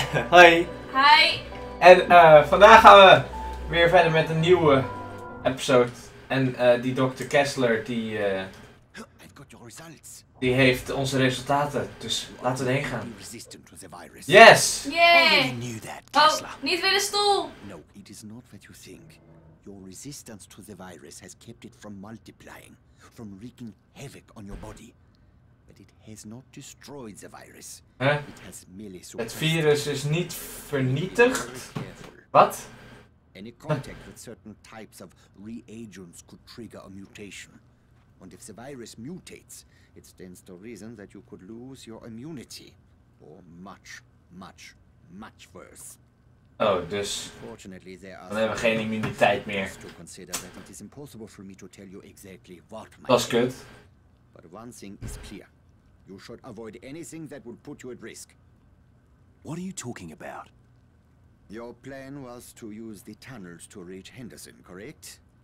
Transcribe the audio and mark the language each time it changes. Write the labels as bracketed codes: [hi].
[nl] Hoi. [en] Hi. [nl] En vandaag gaan we weer verder met een nieuwe episode. En die Dr. Kessler die heeft onze resultaten, dus laten we erheen gaan. [en] Yes! Yeah! Knew that, [nl] oh, niet weer de stoel! [en] No, it is not what you think. Your resistance to the virus has kept it from multiplying, from wreaking havoc on your body. But it has not destroyed the virus. Huh? It has merely suppressed. [nl] Het virus is niet vernietigd? Wat? [en] Any contact with certain types of reagents could trigger a mutation. And if the virus mutates, it stands to reason that you could lose your immunity. Or much, much, much worse. [nl] Oh, dus dan hebben we geen immuniteit meer. [en] To consider that it is impossible for me to tell you exactly what my was kut. But one thing is clear. You should avoid anything that would put you at risk. What are you talking about? Your plan was to use the tunnels to reach Henderson, correct?